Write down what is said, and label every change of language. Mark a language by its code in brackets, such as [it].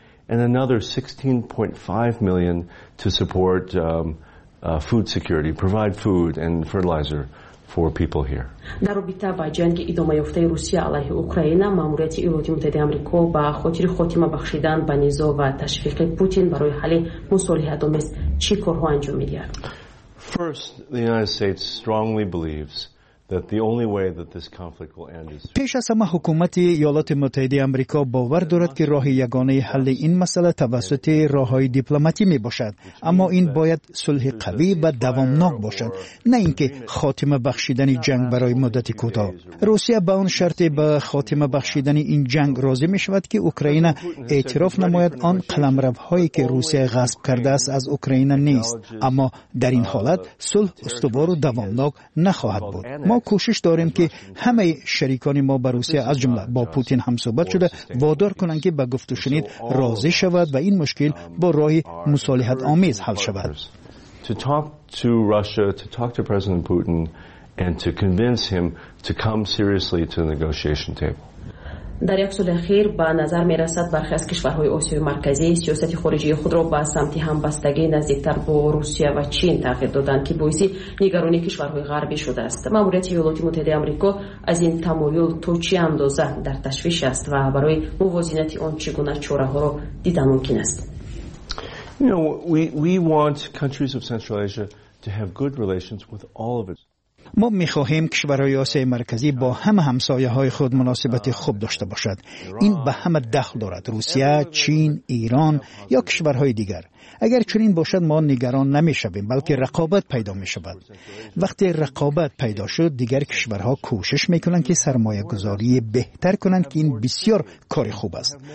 [en] And another 16.5 million to support food security, provide food and fertilizer for people here. [fa] در رابطه با جنگ ادامه یافته روسیه علیه اوکراین، ماموریت ایالات متحده آمریکا با خاطر خاتمه بخشیدن به نزاع و تشویق پوتین برای حل مصالحه دامس چی کارها انجام می دهد؟ [en] First, the United States strongly believes that the only way that this conflict will end is [fa] پیش از همه حکومت ایالات متحده آمریکا باور دارد که راه یگانه حل این مسئله توسط راه‌های دیپلماتیک میباشد، اما این باید صلح قوی و دوامناک باشد، نه اینکه خاتمه بخشیدن جنگ برای مدت کوتاه. روسیه به آن شرط به خاتمه بخشیدن این جنگ راضی میشود که اوکراین اعتراف نماید آن قلمروهایی که روسیه غصب کرده است از اوکراین نیست، اما در این حالت صلح استوار و دوامناک نخواهد بود. ما کوشش داریم که همه شریکان ما به روسیه از جمله با پوتین هم صحبت شده وادار کنند که به گفت و شنید راضی شود و این مشکل با راه مصالحت آمیز حل شود. [en] To talk to Russia, to talk to President Putin and to convince him to come seriously to the negotiation table. [fa] در یک سال اخیر به نظر می رسد برخی از کشورهای آسیای مرکزی سیاست خارجی خود را به سمت همبستگی نزدیکتر با روسیه و چین تغییر دادند که باعث نگرانی کشورهای غربی شده است. ماموریت ایالات متحده آمریکا از این تمایل تا چه اندازه در تشویش است و برای موازنت آن چگونه چاره ها را دیده ممکن است؟ [en] You know, we want countries of Central Asia to have good relations with all of its [fa] ما می خواهیم کشورهای آسیای مرکزی با همه همسایه های خود مناسبت خوب داشته باشد. این به همه دخل دارد. روسیه، چین، ایران یا کشورهای دیگر. اگر چنین باشد ما نگران نمی شویم بلکه رقابت پیدا می شود. وقتی رقابت پیدا شد دیگر کشورها کوشش می کنند که سرمایه گذاری بهتر کنند که این بسیار کار خوب است.